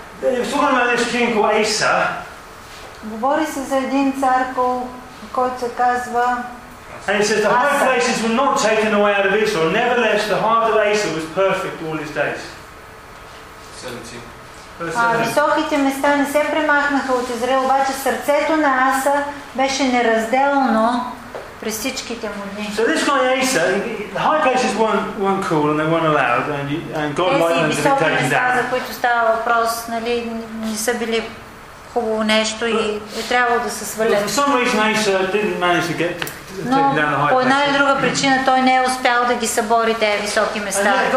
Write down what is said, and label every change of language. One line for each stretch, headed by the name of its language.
English: They're talking about this king called Asa.
Bulgarian: Говори се за един цар, който се казва.
English: And it says the high places were not taken away out of Israel. Nevertheless, the heart of Asa was perfect all his days. 17.
Bulgarian: Високите места не се премахнаха от Израел, обаче сърцето на Аса беше неразделно. През всичките му дни.
English: So this guy Asa, the high places weren't cool and they weren't allowed, and God wanted them to be taken down.
Bulgarian: За които става въпрос, нали, не са били хубаво нещо и е трябвало да се свалят.
English: For some reason Asa didn't manage to get taken down the high places.
Bulgarian: По една или друга причина той не е успял да ги събори тези високи места.